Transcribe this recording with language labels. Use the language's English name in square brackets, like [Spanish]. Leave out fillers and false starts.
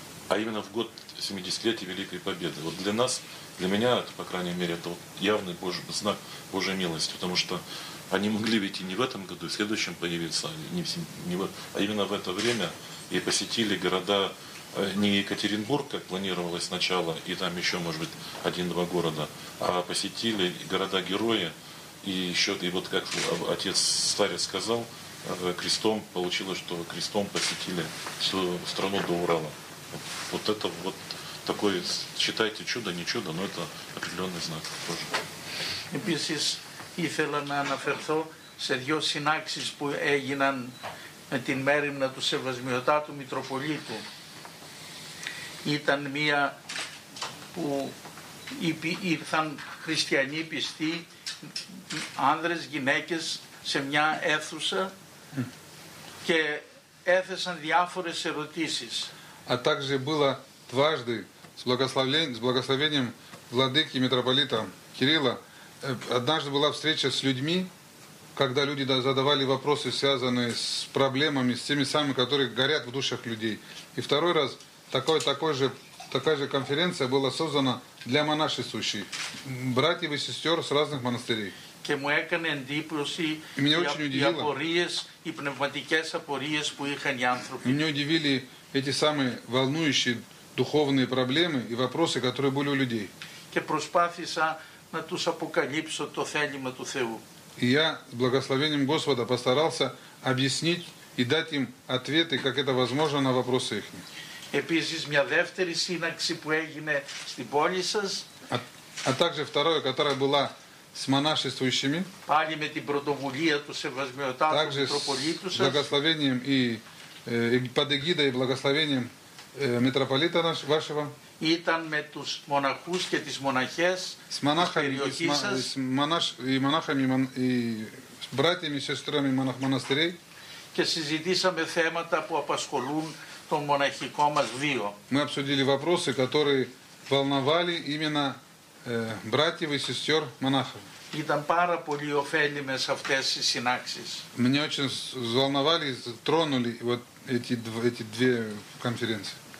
[Russian] А именно в год 70-летия Великой Победы. Вот для нас, для меня, это, по крайней мере, это вот явный Божий, знак Божьей милости, потому что они могли ведь и не в этом году, и в следующем появиться, а именно в это время и посетили города не Екатеринбург, как планировалось сначала, и там еще, может быть, 1-2 города, а посетили города-герои, и еще, и вот как отец старец сказал, крестом получилось, что крестом посетили всю страну до Урала. Вот это вот такое, считайте чудо, не чудо, но это определенный знак тоже. [Greek] Επίσης, ήθελα να αναφερθώ σε δύο συνάξεις που έγιναν με την μέρημνα του Σεβασμιωτάτου Μητροπολίτου. Ήταν μία που ήρθαν χριστιανοί πιστοί, άνδρες, γυναίκες, σε μια αίθουσα και έθεσαν διάφορες ερωτήσεις. [Russian] А также было дважды с благословением владыки митрополита Кирилла. Однажды была встреча с людьми, когда люди задавали вопросы, связанные с проблемами, с теми самыми, которые горят в душах людей. И второй раз такая же конференция была создана для монашествующих, братьев и сестер с разных монастырей. [Greek] Και μου έκανε εντύπωση οι απορίες, οι πνευματικές απορίες που είχαν οι άνθρωποι. [Russian] Меня удивили эти самые волнующие духовные проблемы и вопросы, которые были у людей. [Greek] Και προσπάθησα να τους αποκαλύψω το θέλημα του Θεού. [Russian] И я с благословением Господа постарался объяснить и дать им ответы, как это возможно, на вопросы их. [Greek] Επίσης, μια δεύτερη σύναξη που έγινε στην πόλη σας. [Russian] А также второе, которое было с монашествующими. [Greek] Πάλι με την πρωτοβουλία του Σεβασμιωτάτου [Russian] также [Greek] Μητροπολίτου [Russian] с благословением и под эгидой и благословением митрополита вашего. [Greek] Ήταν με τους μοναχούς και τις μοναχές [Russian] с монахами, с братьями и сестрами монастырей. [Greek] Και συζητήσαμε θέματα που απασχολούν τον μοναχικό μας βίο. [Russian] Мы обсудили вопросы, которые волновали именно братьев и сестер монахов. [Greek] Ήταν πάρα πολύ ωφέλιμες αυτές οι συνάξεις. [Russian] Меня очень взволновали, тронули вот эти две конференции.